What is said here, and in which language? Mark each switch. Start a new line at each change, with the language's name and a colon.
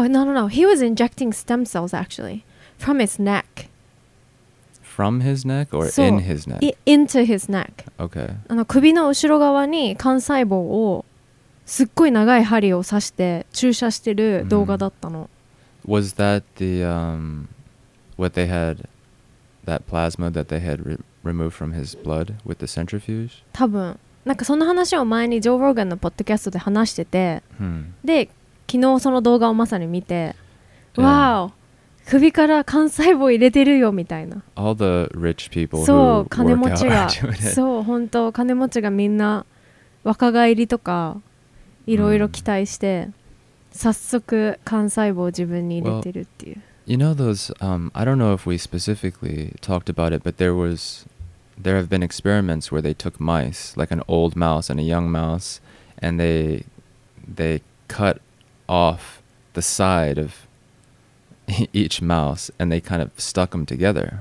English: He was injecting stem cells, actually. From his neck. From his neck or so, in his neck? Into his neck. Okay.
Japanese: あの首の後ろ側に幹細胞をすっごい長い針を刺して注射してる動画だったの。
English: Mm-hmm. Was that the, what they had, that plasma that they had removed from his blood with the centrifuge?
Japanese: 多分。なんかその話を前にジョー・ローガンのポッドキャストで話してて、で、昨日その動画をまさに見て、わー、首から幹細胞入れてるよみたいな。
English: All the rich people who work out are doing it.
Japanese: そう、本当、金持ちがみんな若返りとかいろいろ期待して、早速幹細胞を自分に入れてるっていう。
English: Well, you know those, I don't know if we specifically talked about it, but there have been experiments where they took mice, like an old mouse and a young mouse, and they cut off the side of each mouse and they kind of stuck them together.